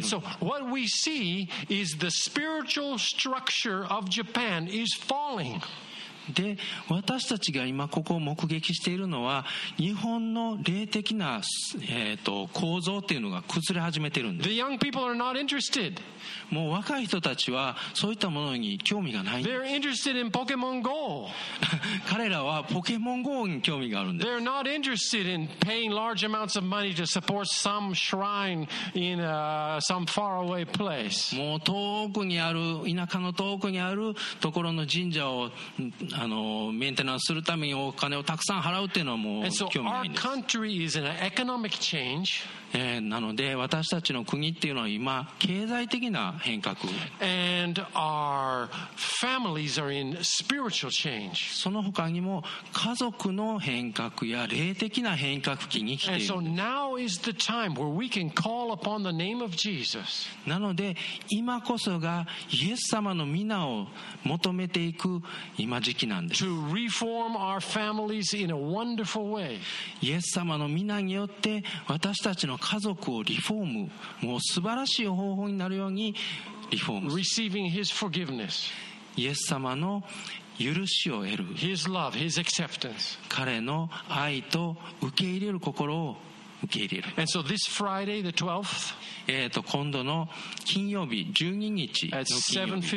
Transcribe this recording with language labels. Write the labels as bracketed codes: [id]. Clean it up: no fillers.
[en] And so what we see is the spiritual structure of Japan is falling. [ja] で私たちが今ここを目撃しているのは日本の霊的な、構造っていうのが崩れ始めているんです。 [en] The young people are not interested. [ja] もう若い人たちはそういったものに興味がないんです。 [en] They're interested in Pokemon Go. [ja] 彼らはポケモン GO に興味があるんです。 [en] They're not interested in paying large amounts of money to support some shrine in some faraway place. [ja] もう遠くにある田舎の遠くにあるところの神社をメンテナンスするためにお金をたくさん払うっていうのはもう興味ないんです。 [en] And so our country is in an economic change. [ja] なので私たちの国っていうのは今経済的な変革。 [en] And our families are in spiritual change. [ja] その他にも家族の変革や霊的な変革期に来ている。 [en] And so now is the time where we can call upon the name of Jesus. [ja] なので今こそがイエス様の皆を求めていく今時期なんです。 [en] To reform our families in a wonderful way. [ja] イエス様の皆によって私たちの家族をリフォーム、もう素晴らしい方法になるようにリフォーム。 [en] Receiving his forgiveness. [ja] イエス様の許しを得る。 [en] His love, his acceptance. [ja] 彼の愛と受け入れる心を受け入れる。 [en] And so this Friday the 12th. [ja] 今度の金曜日12日の金曜日